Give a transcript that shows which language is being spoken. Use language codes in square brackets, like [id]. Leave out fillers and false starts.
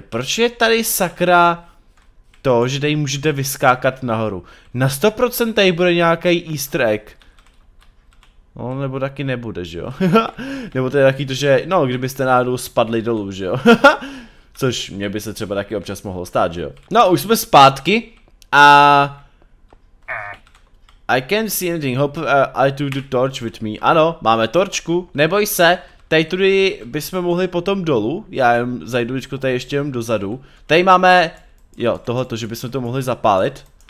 [cs] A proč je tady sakra to, že tady můžete vyskákat nahoru, na 100% tady bude nějaký easter egg. No, nebo taky nebude, že jo? Nebo to je taky to, že, no, kdybyste náhodou spadli dolů, že jo? Což mě by se třeba taky občas mohlo stát, že jo? No, už jsme zpátky a... [en] I can't see anything, hope I took the torch with me. [cs] Ano, máme torčku, neboj se. Tady tudy bychom mohli potom dolů. Já jen zajdu vičko tady ještě jen dozadu. Tady máme, jo, tohleto, že bychom to mohli zapálit.